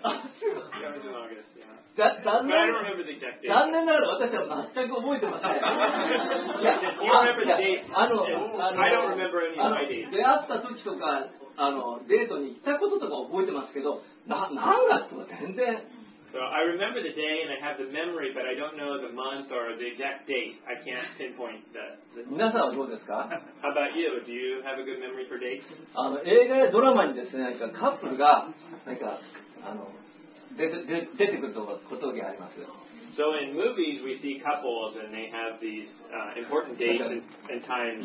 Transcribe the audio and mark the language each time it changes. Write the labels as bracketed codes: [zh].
[en] That was in August. Yeah. I don't remember the exact date. [ja] 残念ながら私は全く覚えてません。 [en] You remember the date? I don't remember any of my dates. [ja] 出会った時とかデートに行ったこととか覚えてますけど、何月とか全然。 [en] So I remember the day and I have the memory, but I don't know the month or the exact date. I can't pinpoint [ja] the. 皆さんはどうですか？ [en] How about you? Do you have a good memory for dates? [ja] 映画やドラマにですね、なんかカップルがなんか出てくることがあります。 [en] So in movies we see couples and they have these important dates and times.